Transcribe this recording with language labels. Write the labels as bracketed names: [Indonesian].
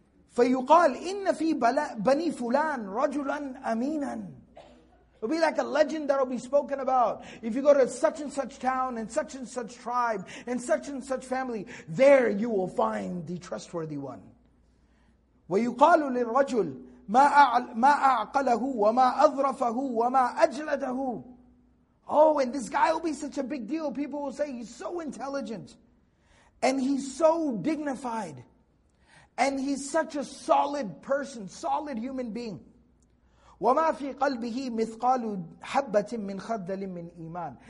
[Arabic] فيقال إن في بني فلان رجلا أمينا. [English] It'll be like a legend that'll be spoken about. If you go to such and such town and such tribe and such family, there you will find the trustworthy one. [Arabic] ويقال للرجل ما أعقله وما أظرفه وما أجلده. [English] Oh, and this guy will be such a big deal. People will say he's so intelligent. And he's so dignified. And he's such a solid person, solid human being. [Arabic] وَمَا فِي قَلْبِهِ مِثْقَالُ حَبَّةٍ مِّنْ خَرْدَلٍ مِّنْ إِيمَانٍ.